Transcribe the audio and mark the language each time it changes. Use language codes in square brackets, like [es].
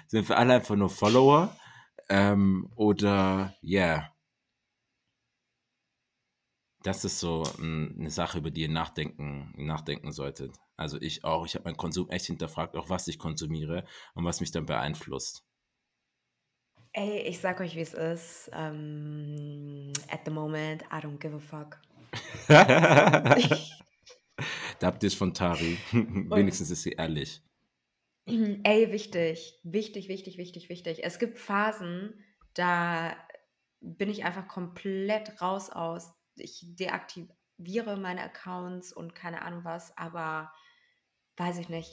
[de] Sind wir alle einfach nur Follower? Das ist so eine Sache, über die ihr nachdenken solltet. Also ich auch. Ich habe meinen Konsum echt hinterfragt, auch was ich konsumiere und was mich dann beeinflusst. Ey, ich sag euch, wie es ist. [en] At the moment, I don't give a fuck. [de] Da habt ihr es von Tari. Wenigstens ist sie ehrlich. Ey, wichtig. Wichtig, wichtig, wichtig, wichtig. Es gibt Phasen, da bin ich einfach komplett raus aus. Ich deaktiviere meine Accounts und keine Ahnung was, aber weiß ich nicht.